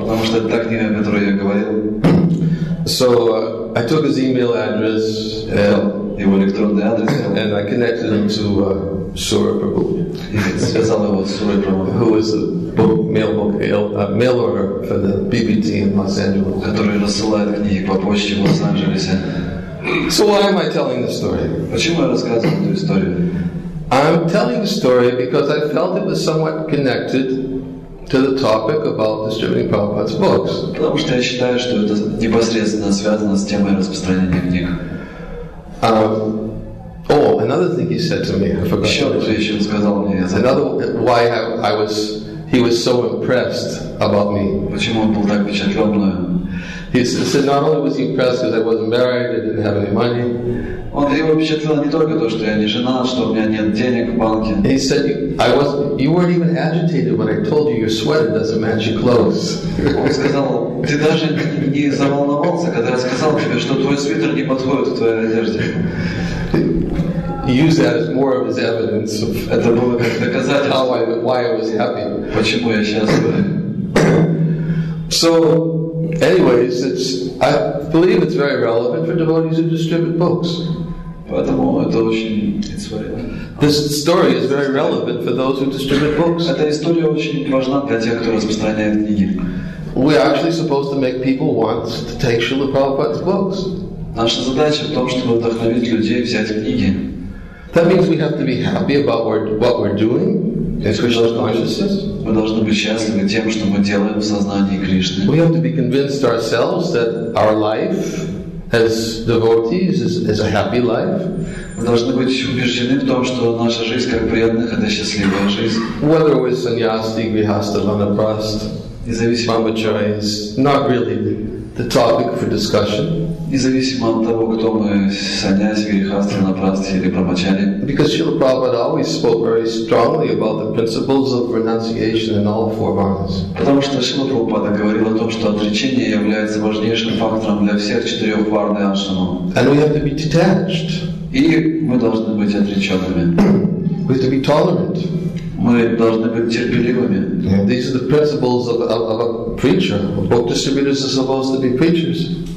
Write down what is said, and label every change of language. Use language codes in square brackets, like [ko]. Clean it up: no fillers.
[ru] Потому что это та книга, о которой я говорил. [en] So I took his email address and [ru] его электронный адрес. [en] And I connected him to Surya Prabhu. [ru] Связал его с Сурой Прабху. [en] Who was the book, mail order for the BBT in Los Angeles. [ru] Который рассылает книги по почте в Лос-Анджелесе. [en] So why am I telling this story? [ru] Почему я рассказываю эту историю? [en] I'm telling the story because I felt it was somewhat connected to the topic about distributing Prabhupada's books. [ru] Потому что я считаю, что это непосредственно связано с темой распространения книг. [en] Another thing he said to me, I forgot. [ru] Еще одна вещь он сказал мне. [en] Another why I was, he was so impressed about me. [ru] Почему он был так впечатлен мной? [en] He said, not only was he impressed because I wasn't married, I didn't have any money. [ru] Он его впечатлил не только то, что я не женат, что у меня нет денег в банке. [en] He said, you weren't even agitated when I told you your sweater doesn't match your clothes. [ru] Он сказал, ты даже не заволновался, когда я сказал тебе, что твой свитер не подходит к твоей одежде. [en] He used that as more of his evidence of why I was happy. [ru] Почему я счастлив? [en] So, anyways, I believe it's very relevant for devotees who distribute books. [ru] Поэтому это очень. [en] This story is very relevant for those who distribute books. [ru] Эта история очень важна для тех, кто распространяет книги. [en] We're actually supposed to make people want to take Srila Prabhupada's books. [ru] Наша задача в том, чтобы вдохновить людей взять книги. [en] That means we have to be happy about what we're doing in Krishna consciousness. [ru] Мы должны быть счастливы тем, что мы делаем в сознании Кришны. [en] We have to be convinced ourselves that our life as devotees is a happy life. [ru] Мы должны быть убеждены в том, что наша жизнь как преданных это счастливая жизнь. [en] Whether we're sannyasi, grihastha, vanaprastha, [ru] независимо от того, [en] is not really the topic for discussion. [ru] Независимо от того, кто мы, саньяси, грихастха, ванапрастха или брахмачари. [en] Because Srila Prabhupada always spoke very strongly about the principles of renunciation in all four varnas. [ru] Потому что Шрила Прабхупада говорил о том, что отречение является важнейшим фактором для всех четырех варн ашрама. [en] And we have to be detached. [ru] И мы должны быть отреченными. [en] We have to be tolerant. [ru] Мы должны быть терпеливыми. [en] Yeah. These are the principles of a preacher. Book distributors are supposed to be preachers.